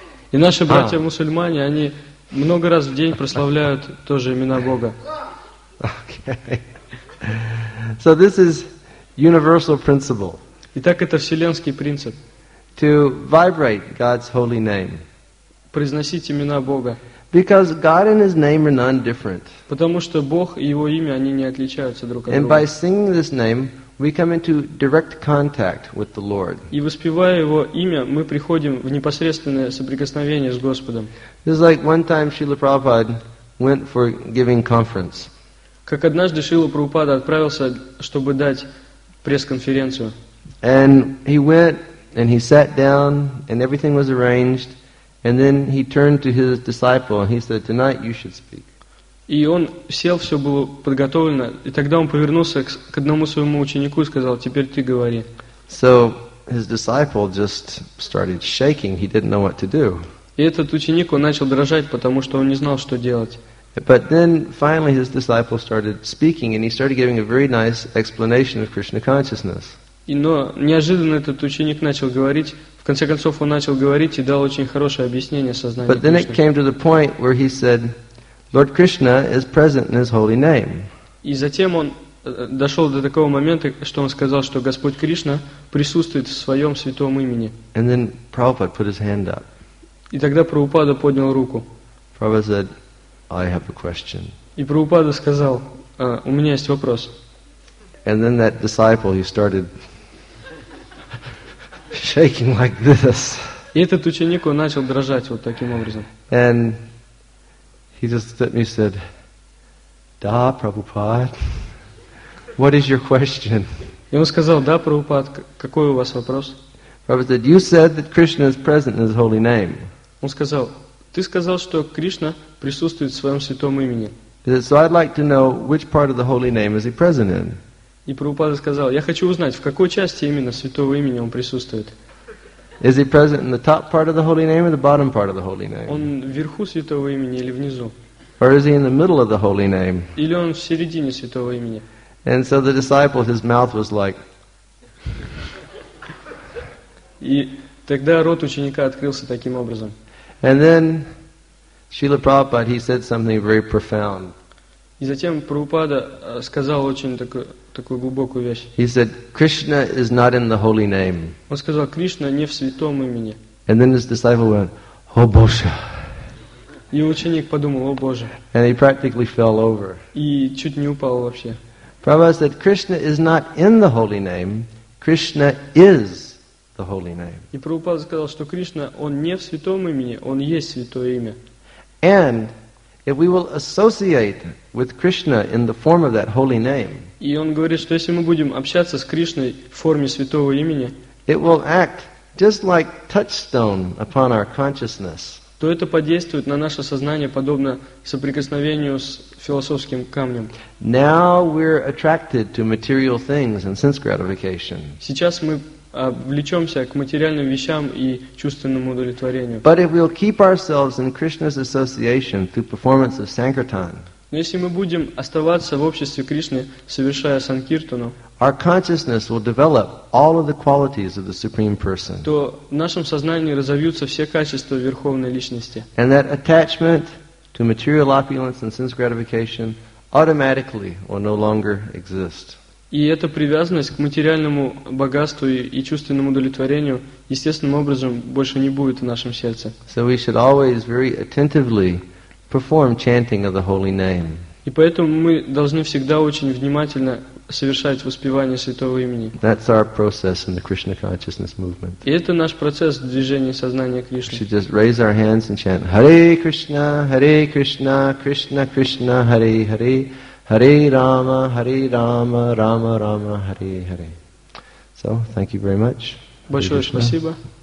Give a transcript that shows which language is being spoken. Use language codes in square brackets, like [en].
[ru] И наши братья-мусульмане, они много раз в день прославляют тоже имена Бога. [en] Okay. So this is universal principle. [ru] Итак, это вселенский принцип. [en] To vibrate God's holy name. [ru] Произносить имена Бога. [en] Because God and His name are none different. [ru] Потому что Бог и Его имя, они не отличаются друг от друга. [en] And by singing this name, we come into direct contact with the Lord. [ru] И воспевая Его имя, мы приходим в непосредственное соприкосновение с Господом. [en] This is like one time Srila Prabhupada went for giving conference. [ru] Как однажды Шрила Прабхупада отправился, чтобы дать пресс-конференцию. [en] And he went, and he sat down, and everything was arranged. And then he turned to his disciple, and he said, "Tonight you should speak." [ru] И он сел, все было подготовлено. И тогда он повернулся к одному своему ученику и сказал, "Теперь ты говори." [en] So his disciple just started shaking. He didn't know what to do. [ru] И этот ученик, он начал дрожать, потому что он не знал, что делать. [en] But then finally his disciple started speaking and he started giving a very nice explanation of Krishna consciousness. [ru] И но неожиданно этот ученик начал говорить, в конце концов он начал говорить и дал очень хорошее объяснение сознанию. [en] But then it came to the point where he said, Lord Krishna is present in his holy name. [ru] И затем он дошел до такого момента, что он сказал, что Господь Кришна присутствует в своем святом имени. [en] And then Prabhupada put his hand up. [ru] И тогда Прабхупада поднял руку. [en] Prabhupada said, I have a question. [ru] И Прабхупада сказал, у меня есть вопрос. [en] And then that disciple, he started shaking like this. [ru] И этот ученик, он начал дрожать вот таким образом. [en] And he just looked at me and said, Da, Prabhupada. What is your question? [ru] И он сказал, да, Прабхупад, какой у вас вопрос? [en] Prabhupada said, you said that Krishna is present in his holy name. [ru] Он сказал, ты сказал, что Кришна присутствует в своем святом имени. [en] He said, so I'd like to know which part of the holy name is he present in. [ru] И Прабхупада сказал, я хочу узнать, в какой части именно святого имени он присутствует. [en] Is he present in the top part of the holy name or the bottom part of the holy name? [ru] Он вверху святого имени или внизу? [en] Or is he in the middle of the holy name? [ru] Или он в середине святого имени? [en] And so the disciple, his mouth was like. [ru] И тогда рот ученика открылся таким образом. [en] And then Srila Prabhupada, he said something very profound. [ru] И затем Прабхупада сказал очень такую глубокую вещь. [en] He said, Krishna is not in the holy name. [ru] Он сказал, Кришна не в святом имени. [en] And then his disciple went, [ru] О Боже! И ученик подумал, О Боже! [en] And he practically fell over. [ru] И чуть не упал вообще. [en] Prabhupada said, Krishna is not in the holy name, Krishna is the holy name. [ru] И Прабхупада сказал, что Кришна, он не в святом имени, он есть святое имя. [en] And if we will associate with Krishna in the form of that holy name, [ru] и он говорит, что если мы будем общаться с Кришной в форме святого имени, [en] it will act just like touchstone upon our consciousness. [ru] То это подействует на наше сознание подобно соприкосновению с философским камнем. [en] Now we're attracted to material things and sense gratification. [ru] Сейчас мы влечемся к материальным вещам и чувственному удовлетворению. [en] But if we'll keep ourselves in Krishna's association through performance of sankirtan, [ru] но если мы будем оставаться в обществе Кришны, совершая санкиртану, [en] our consciousness will develop all of the qualities of the Supreme Person. [ru] То в нашем сознании разовьются все качества Верховной Личности. [en] And that attachment to material opulence and sense gratification automatically will no longer exist. [ru] И эта привязанность к материальному богатству и чувственному удовлетворению естественным образом больше не будет в нашем сердце. [en] So we should always very attentively perform chanting of the holy name. [ru] И поэтому мы должны всегда очень внимательно совершать воспевание святого имени. [en] That's our process in the Krishna consciousness movement. [ru] И это наш процесс движения сознания Кришны. [en] We should just raise our hands and chant [sa] Hare Krishna, Hare Krishna, Krishna Krishna, Hare Hare, Hare Rama, Hare Rama, Rama Rama, Hare Hare. [en] So, thank you very much. [ru] Большое спасибо.